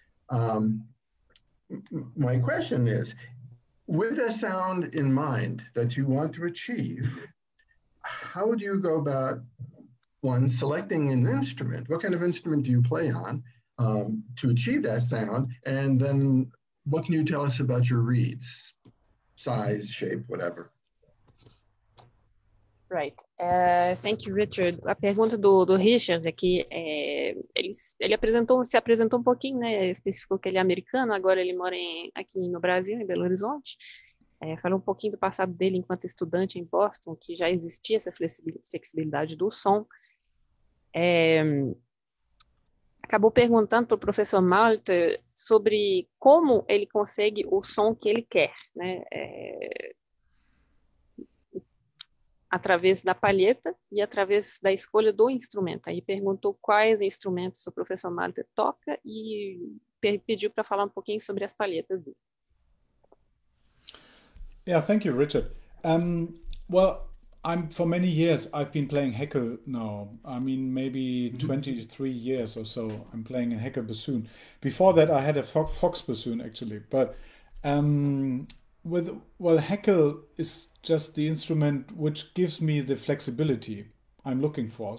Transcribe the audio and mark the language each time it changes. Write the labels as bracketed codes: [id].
[en] My question is, with a sound in mind that you want to achieve, how do you go about, one, selecting an instrument? What kind of instrument do you play on to achieve that sound? And then what can you tell us about your reeds, size, shape, whatever? Right. Thank you, Richard. [pt] A pergunta do Richard aqui, ele se apresentou um pouquinho, né? Especificou que ele é americano, agora ele mora aqui no Brasil, em Belo Horizonte. Falou um pouquinho do passado dele enquanto estudante em Boston, que já existia essa flexibilidade do som. Acabou perguntando para o professor Malte sobre como ele consegue o som que ele quer, né? Através da palheta e através da escolha do instrumento. Aí perguntou quais instrumentos o professor Malte toca e pediu para falar um pouquinho sobre as palhetas dele. [en] Yeah, thank you, Richard. Well, for many years I've been playing Heckel now. I mean, maybe 23 years or so I'm playing a Heckel bassoon. Before that I had a Fox bassoon actually, but Heckel is just the instrument which gives me the flexibility I'm looking for.